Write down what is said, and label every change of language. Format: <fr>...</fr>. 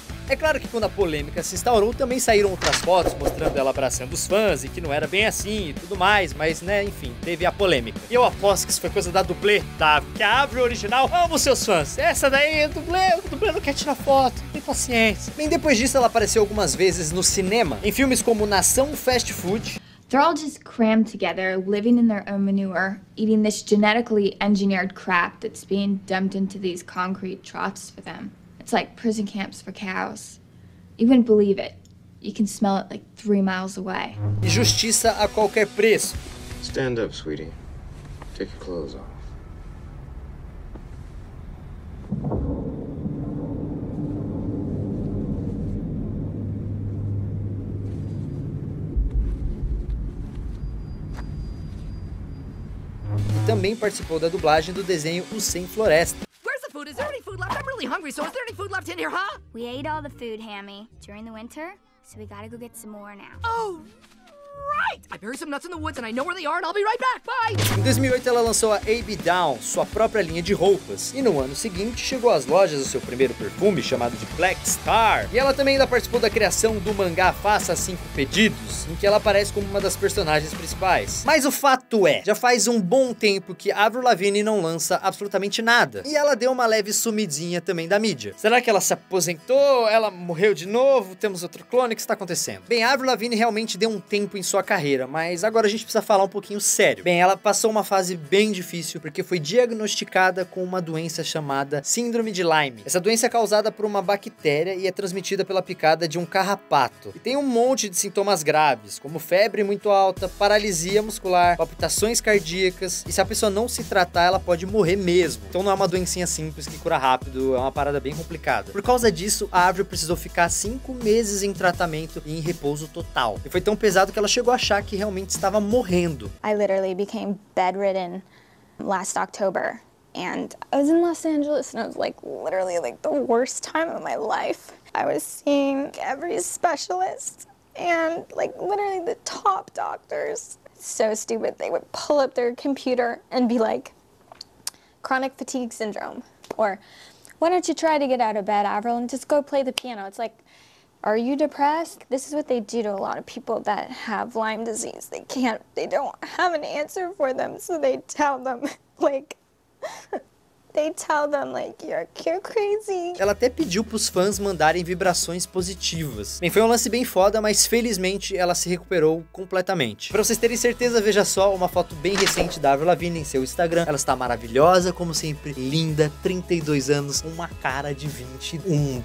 <pt>É claro que quando a polêmica se instaurou, também saíram outras fotos mostrando ela abraçando os fãs e que não era bem assim e tudo mais, mas, né, enfim, teve a polêmica. E eu aposto que isso foi coisa da dublê, tá? Que a Avril original ama os seus fãs. Essa daí é dublê, o dublê não quer tirar foto, tem paciência. Bem, depois disso, ela apareceu algumas vezes no cinema, em filmes como Nação Fast Food.</pt> <en>They're all just crammed together, living in their own manure, eating this genetically engineered crap that's being dumped into these concrete troughs for them. It's like prison camps for cows. You wouldn't believe it. You can smell it like 3 miles away.</en> <pt>Injustiça a qualquer preço.</pt> <en>Stand up, sweetie. Take your clothes off.</en> <pt>E também participou da dublagem do desenho O Sem Floresta.</pt> <en>Is there any food left? I'm really hungry, so is there any food left in here, huh? We ate all the food, Hammy, during the winter, so we gotta go get some more now. Oh, right! I buried some nuts in the woods and I know where they are and I'll be right back, bye!</en> <pt>Em 2008, ela lançou a AB Down, sua própria linha de roupas. E no ano seguinte, chegou às lojas o seu primeiro perfume, chamado de Black Star. E ela também ainda participou da criação do mangá Faça 5 Pedidos, em que ela aparece como uma das personagens principais. Mas o fato é, já faz um bom tempo que Avril Lavigne não lança absolutamente nada. E ela deu uma leve sumidinha também da mídia. Será que ela se aposentou? Ela morreu de novo? Temos outro clone? O que está acontecendo? Bem, Avril Lavigne realmente deu um tempo em sua carreira, mas agora a gente precisa falar um pouquinho sério. Bem, ela passou uma fase bem difícil porque foi diagnosticada com uma doença chamada Síndrome de Lyme. Essa doença é causada por uma bactéria e é transmitida pela picada de um carrapato. E tem um monte de sintomas graves, como febre muito alta, paralisia muscular, palpitações cardíacas, e se a pessoa não se tratar, ela pode morrer mesmo. Então não é uma doencinha simples que cura rápido, é uma parada bem complicada. Por causa disso, a Avril precisou ficar 5 meses em tratamento e em repouso total. E foi tão pesado que ela chegou a achar que realmente estava morrendo.</pt> <en>I literally became bedridden last October, And I was in Los Angeles and I was like literally like the worst time of my life. I was seeing every specialist and like literally the top doctors. So stupid, they would pull up their computer and be like, chronic fatigue syndrome. Or why don't you try to get out of bed, Avril, and just go play the piano. It's like, are you depressed? This is what they do to a lot of people that have Lyme disease. They can't, they don't have an answer for them. So they tell them like, they tell them like, you're crazy.</en> <pt>Ela até pediu pros fãs mandarem vibrações positivas. Bem, foi um lance bem foda, mas felizmente ela se recuperou completamente. Pra vocês terem certeza, veja só uma foto bem recente da Avril Lavigne em seu Instagram. Ela está maravilhosa, como sempre, linda, 32 anos, uma cara de 21.</pt>